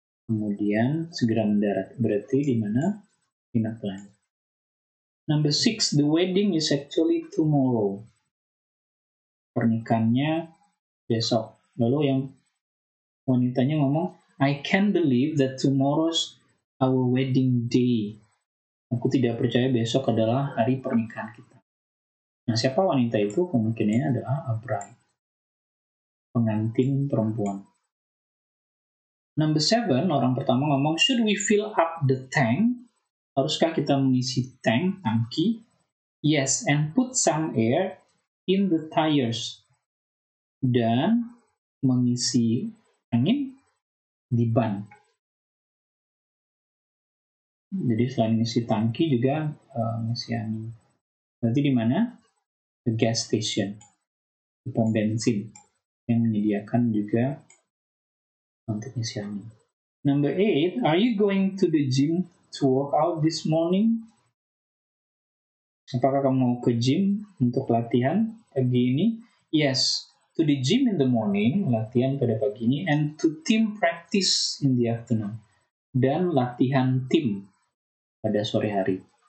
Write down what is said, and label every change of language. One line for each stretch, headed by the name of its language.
Indonesian: Kemudian segera mendarat. Berarti di mana?
English: In a plane. Number 6, the wedding is actually tomorrow.
Indonesian: Pernikahannya besok.
English: Lalu yang wanitanya ngomong, I can't believe that tomorrow's our wedding day.
Indonesian: Aku tidak percaya besok adalah hari pernikahan kita. Nah, siapa wanita itu? Kemungkinannya adalah
English: a bride.
Indonesian: Pengantin perempuan.
English: Number 7,
Indonesian: orang pertama ngomong,
English: should we fill up the tank?
Indonesian: Haruskah kita mengisi tank, tangki?
English: Yes, and put some air in the tires.
Indonesian: Dan mengisi angin di ban. Jadi selain ngisi tangki juga ngisi angin. Berarti di mana?
English: The gas station.
Indonesian: Di pom bensin. Yang menyediakan juga untuk ngisi angin.
English: Number 8, are you going to the gym to work out this morning?
Indonesian: Apakah kamu mau ke gym untuk latihan pagi ini?
English: Yes. To the gym in the morning,
Indonesian: latihan pada pagi ini,
English: and to team practice in the afternoon,
Indonesian: dan latihan tim pada sore hari.